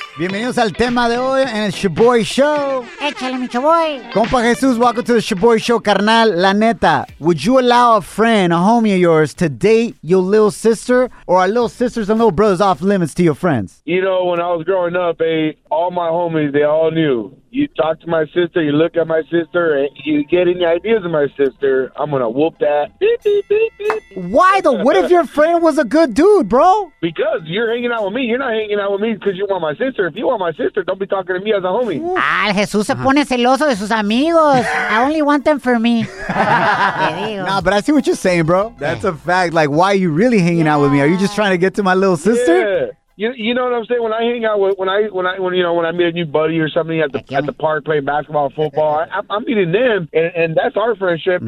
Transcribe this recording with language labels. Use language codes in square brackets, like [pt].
[es] Bienvenidos al tema de hoy en el Shaboy Show. Échale, mi Shaboy. [en] Compa Jesús, welcome to the Shaboy Show, carnal. [es] La neta, [en] would you allow a friend, a homie of yours, to date your little sister? Or are little sisters and little brothers off limits to your friends? You know, when I was growing up, all my homies, they all knew. You talk to my sister, you look at my sister, and you get any ideas of my sister, I'm going to whoop that. Beep, beep, beep, beep. Why, though? What if your friend was a good dude, bro? Because you're hanging out with me. You're not hanging out with me because you want my sister. If you want my sister, don't be talking to me as a homie. [es] Ah, Jesús se pone celoso de sus amigos. [en] I only want them for me. Nah, but I see what you're saying, bro. That's a fact. Like, why are you really hanging out with me? Are you just trying to get to my little sister? Yeah. You know what I'm saying? When I hang out with, when I meet a new buddy or something at the park playing basketball, football, I'm meeting them, and that's our friendship. Mm-hmm.